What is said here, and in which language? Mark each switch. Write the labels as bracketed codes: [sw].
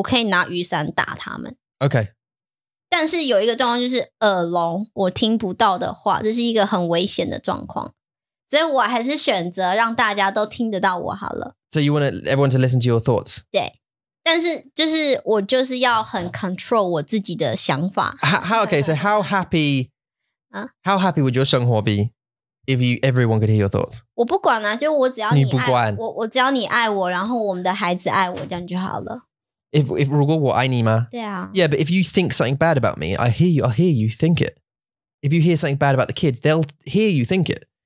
[zh] 对啊，我可以就拿雨伞啊，我就可以拿雨伞打他们。如果他们想咬我的话，我可以拿雨伞打他们。Okay. 但是有一个状况就是耳聋，我听不到的话，这是一个很危险的状况，所以我还是选择让大家都听得到我好了。 [en] So you want everyone to listen to your thoughts? [zh] 对。但是就是我就是要很 control 我自己的想法。 [en] How happy would your 生活 be if you everyone could hear your thoughts? [zh] 我不管啊，就我只要你爱我，然后我们的孩子爱我，这样就好了。 If 如果我爱你吗？对啊。 [en] Yeah, but if you think something bad about me, I hear you think it. If you hear something bad about the kids, they'll hear you think it.